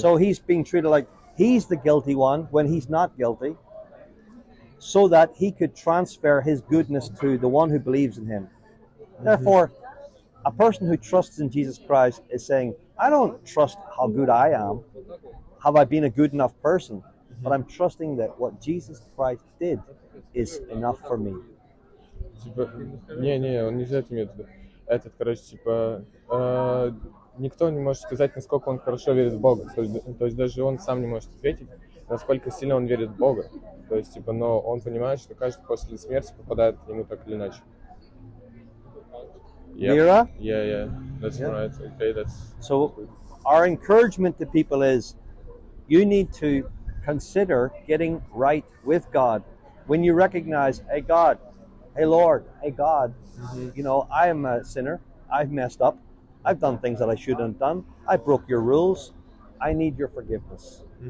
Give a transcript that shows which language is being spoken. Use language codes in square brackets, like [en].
[en] So he's being treated like he's the guilty one when he's not guilty, so that he could transfer his goodness to the one who believes in him. Therefore, a person who trusts in Jesus Christ is saying, I don't trust how good I am, have I been a good enough person, but I'm trusting that what Jesus Christ did is enough for me. [ru] Не, он не знает мне этот, короче, типа, никто не может сказать, насколько он хорошо верит в Бога. То есть даже он сам не может ответить, насколько сильно он верит в Бога. То есть, типа, но он понимает, что каждый после смерти попадает к нему так или иначе. [en] Yep. Mira? Yeah. That's right. Okay, that's... So, our encouragement to people is, you need to consider getting right with God. When you recognize, hey God, hey Lord, hey God, you know, I am a sinner, I've messed up, I've done things that I shouldn't have done, I broke your rules, I need your forgiveness.